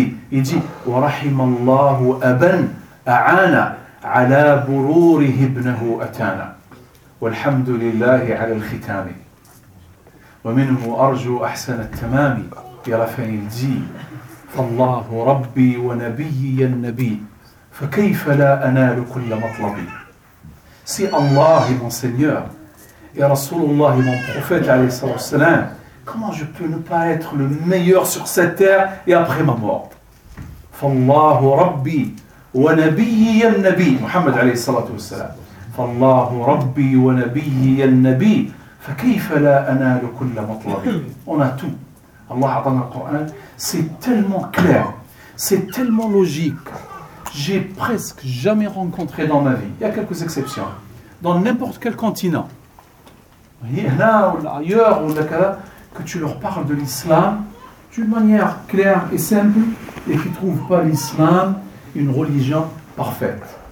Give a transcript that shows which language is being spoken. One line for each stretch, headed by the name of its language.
French: Il dit
Arabic: « Wa rahim Allah aban a'ana » على بروره ابنه أتانا والحمد لله على الختام ومنه أرجو أحسن التمام يا رفين الجي فالله ربي ونبي النبي فكيف لا أنال كل مطلبي؟
French: Si Allah est mon Seigneur et Rasulullah est mon prophète, alayhi salatu wa salam, comment je peux ne pas être le meilleur sur cette terre et après ma mort?
Arabic: فالله ربي ونبيي النبي محمد عليه الصلاه والسلام فالله ربي ونبيي النبي فكيف لا انال كل مطلبي.
French: On a tout. Allah a donné le Coran. C'est tellement clair, c'est tellement logique. J'ai presque jamais rencontré dans ma vie, il y a quelques exceptions, dans n'importe quel continent, là ou ailleurs, ou que tu leur parles de l'islam d'une manière claire et simple, et qu'ils ne trouvent pas l'islam une religion parfaite.